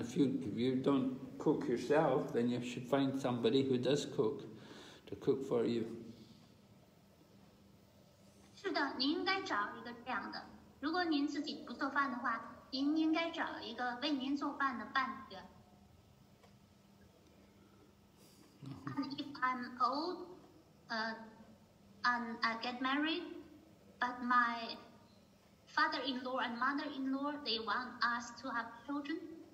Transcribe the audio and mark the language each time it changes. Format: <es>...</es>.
<en>If you don't cook yourself, then you should find somebody who does cook to cook for you.</en> <zh>是的，您应该找一个这样的。如果您自己不做饭的话，您应该找一个为您做饭的伴侣。</zh> <en>And if I'm old, And I get married, but my father-in-law and mother-in-law, they want us to have children.</en>